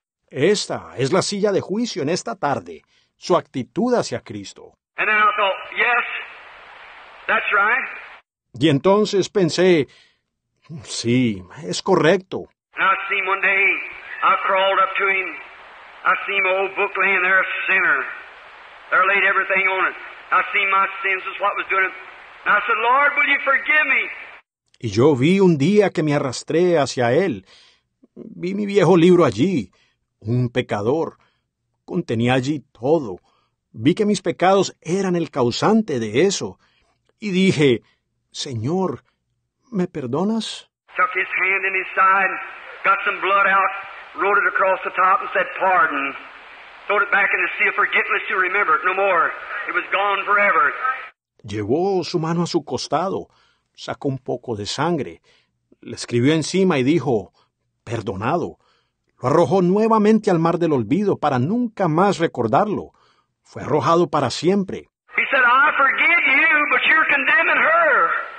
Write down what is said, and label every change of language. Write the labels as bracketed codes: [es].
[es] Esta es la silla de juicio en esta tarde. Su actitud hacia Cristo. [en] And then I thought, yes, that's right. [es] Y entonces pensé, sí, es correcto. [en] And I see him one day, I crawled up to him, I see my old book laying there, a sinner. There laid everything on it. I see my sins is what was doing it. And I said, Lord, will you forgive me? [es] Y yo vi un día que me arrastré hacia él. Vi mi viejo libro allí, un pecador. Contenía allí todo. Vi que mis pecados eran el causante de eso. Y dije, Señor, ¿me perdonas? [en] Took his hand in his side, got some blood out, wrote it across the top and said, pardon. Throwed it back in the sea of forgiveness to remember it no more. It was gone forever. [es] Llevó su mano a su costado, sacó un poco de sangre, le escribió encima y dijo, perdonado. Lo arrojó nuevamente al mar del olvido para nunca más recordarlo. Fue arrojado para siempre. [en] He said, I forgive you, but you're condemning her.